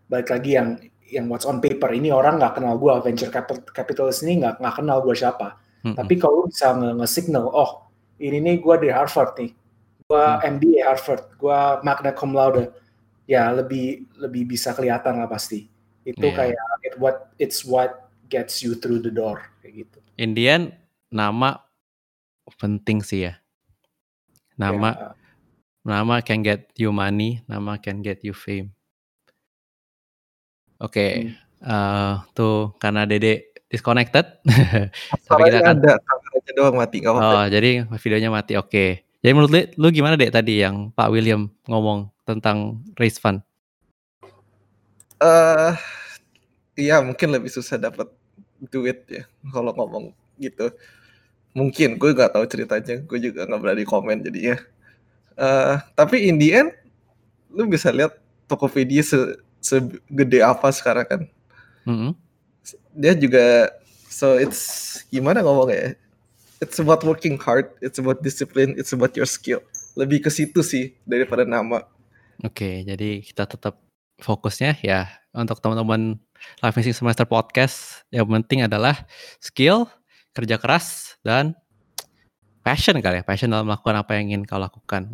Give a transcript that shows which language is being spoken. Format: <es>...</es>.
<id>Balik lagi yang</id> <en>what's on paper.</en> <id>Ini orang nggak kenal gue, venture capitalist ini nggak kenal gue siapa. Tapi kalau bisa nge-signal, oh ini nih gue dari Harvard nih. Gue MBA Harvard, gue magna cum laude. Ya lebih bisa kelihatan lah pasti. Itu kayak</id> <en>it's what gets you through the door.</en> <id>Kayak gitu.</id> <en>In the end,</en> <id>nama penting sih ya. Nama nama</id> <en>can get you money, nama can get you fame.</en> <id>Oke, tuh karena Dede disconnected. Tapi kita kan ada kameranya doang mati. Jadi videonya mati. Oke. Okay. Jadi menurut lu gimana deh tadi yang Pak William ngomong tentang raise fund? Iya mungkin lebih susah dapat duit ya kalau ngomong gitu. Mungkin gue nggak tahu ceritanya, gue juga nggak berani komen jadinya. Tapi</id> <en>in the end,</en> <id>lu bisa lihat Tokopedia segede apa sekarang kan. Dia juga,</id> <en>so it's</en> <id>gimana ngomongnya ya,</id> <en>it's about working hard, it's about discipline, it's about your skill.</en> <id>lebih ke situ sih daripada nama. Oke, jadi kita tetap fokusnya ya untuk teman-teman Life Missing Semester Podcast, yang penting adalah skill, kerja keras, dan passion kali ya, passion dalam melakukan apa yang ingin kau lakukan.</id>